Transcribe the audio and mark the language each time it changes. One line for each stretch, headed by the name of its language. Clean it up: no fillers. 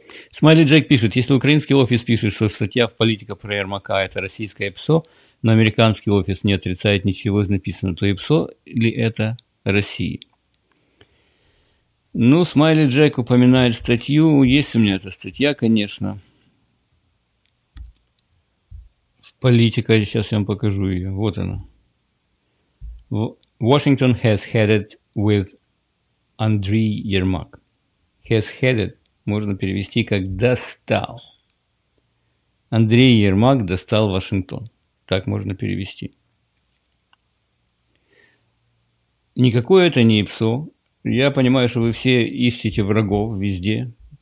Russian: Смайли Джек пишет: если украинский офис пишет, что статья в «Политика» про Ермака – это российское ИПСО, но американский офис не отрицает ничего из написанного, то ИПСО ли это Россия? Ну, Смайли Джек упоминает статью. Есть у меня эта статья, конечно. Политика, сейчас я вам покажу ее. Вот она.
English: Washington has had it with Андрей Ермак. Has had it
Russian: можно перевести как достал. Андрей Ермак достал Вашингтон. Так можно перевести. Никакое это не ИПСО. Я понимаю, что вы все ищете врагов везде.